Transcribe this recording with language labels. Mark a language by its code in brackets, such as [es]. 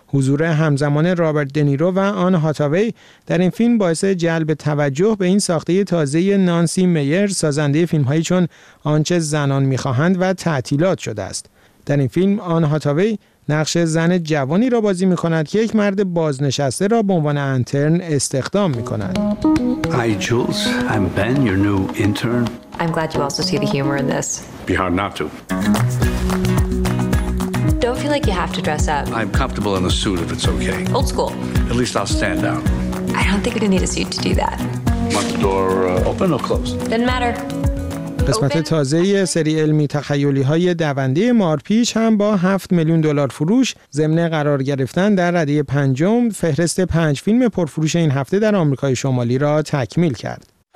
[fa] حضور همزمان رابرت دنیرو و آن هاتاوی در این فیلم باعث جلب توجه به این ساخته تازه نانسی میر، سازنده فیلم‌هایی چون آنچه زنان می‌خواهند و تعطیلات شده است. در این فیلم آن هاتاوی نقش زن جوانی را بازی می‌کند که یک مرد بازنشسته را به عنوان انترن استخدام می‌کند. [en] Hi Jules, I'm Ben, your new intern. I'm glad you also see the humor in this. Be hard not to. Don't feel like you have to dress up. I'm comfortable in a suit if it's okay. Old school. At least I'll stand out. I don't think you need a suit to do that. Want the door open or closed? Doesn't matter. [fa] قسمت تازه سری علمی تخیلی های دونده مارپیچ هم با 7 میلیون دلار فروش ضمن قرار گرفتن در رده پنجم فهرست 5 فیلم پرفروش این هفته در آمریکای شمالی را تکمیل کرد.